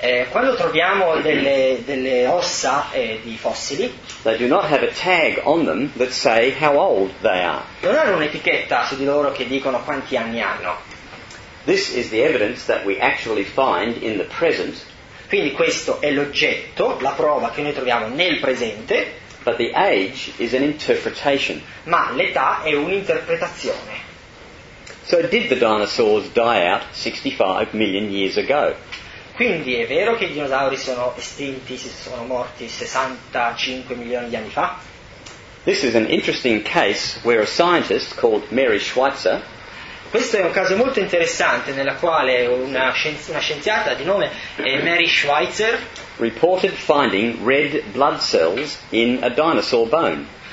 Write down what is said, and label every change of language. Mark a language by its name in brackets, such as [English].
[Italian] quando troviamo delle ossa di fossili, [English] they do not have a tag on them that say how old they are. [Italian] Non hanno un'etichetta su di loro che dicono quanti anni hanno. [English] This is the evidence that we actually find in the present. [Italian] Quindi questo è l'oggetto, la prova che noi troviamo nel presente. [English] But the age is an interpretation. [Italian] Ma l'età è un'interpretazione. [English] So did the dinosaurs die out 65 million years ago? [Italian] Quindi è vero che i dinosauri sono estinti, si sono morti 65 milioni di anni fa? [English] This is an interesting case where a scientist called Mary Schweitzer. [Italian] Questo è un caso molto interessante nella quale una scienziata di nome Mary Schweitzer [English] reported finding red blood cells in a dinosaur bone.